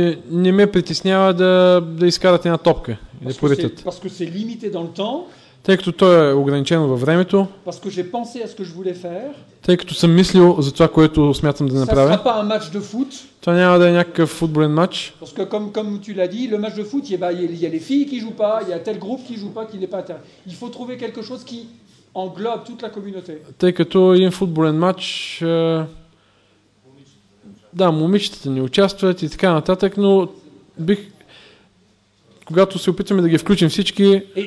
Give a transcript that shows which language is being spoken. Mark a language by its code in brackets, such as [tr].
[bg] Не ме притеснява да изкарате една топка. [fr] Parce que c'est limité dans le temps. [bg] Тъй като то е ограничено във времето. [fr] Parce que j'ai pensé à ce que je voulais faire. [bg] Тъй като съм мислил за това, което смятам да направя. [fr] Ça sera pas un match de foot. [bg] Това няма да е някакъв футболен матч. [fr] Parce que comme tu l'as dit, le match de foot, il y a les filles qui jouent pas, il y a tel groupe qui joue pas, qui n'est pas intéressé. Il faut trouver quelque chose qui englobe toute la communauté. [bg] Тъй като един футболен матч, да, момичетата не участват и така нататък, но бих, когато се опитваме да ги включим всички.